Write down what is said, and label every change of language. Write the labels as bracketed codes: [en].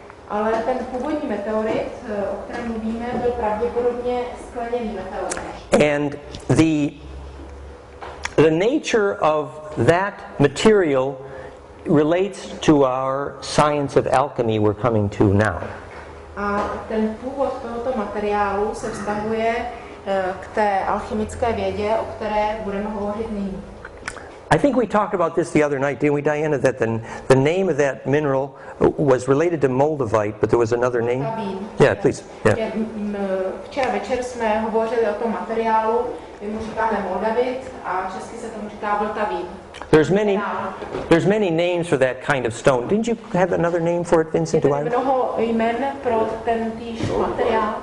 [cs] Ale ten původní meteorit, o kterém mluvíme, byl pravděpodobně skleněný meteorit. [en] And the nature of that material relates to our science of alchemy we're coming to now. [cs] A ten původ tohoto materiálu se vztahuje k té alchemické vědě, o které budeme hovořit nyní. [en] I think we talked about this the other night, didn't we, Diana, that the name of that mineral was related to moldavite, but there was another name? Yeah, please. Yeah. [cs] Včera večer jsme hovořili o tom materiálu, vy mu říkáme moldavit a česky se tomu říká vltavín. [en] There's many names for that kind of stone. Didn't you have another name for it, Vincent? Do I? [cs] Mnoho jmen pro ten týž materiál.